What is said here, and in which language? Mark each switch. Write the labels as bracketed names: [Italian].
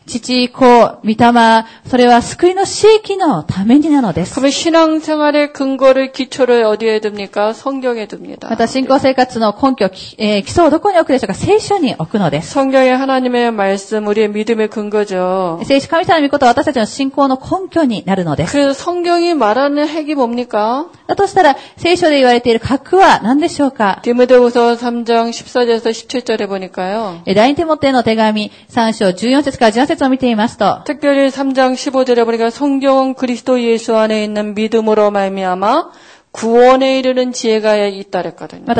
[Japanese] 父、子、御霊、それは救いの使命のためになのです。 [Korean] 그신앙생활의근거를기초를어디에둡니까성경에둡니다。 [Japanese] また信仰生活の根拠、基礎をどこに置くでしょうか。聖書に置くのです。 [Korean] 성경의하나님의말씀、우리의믿음의근거죠。 [Japanese] 聖書、神様の御言葉は私たちの信仰の根拠になるのです。 [Korean] 그래서성경이말하는핵이뭡니까？ [Japanese] だとしたら聖書で言われている核は何でしょうか？ [Korean] 디모데후서3장14절에서17절에보니까요。 [Japanese] 第2テモテの手紙3章14節から18節 [Korean] 특별히3장15절에보니까성경은그리스도예수안에있는믿음으로말미암아구원에이르는지혜가있다랬거든요。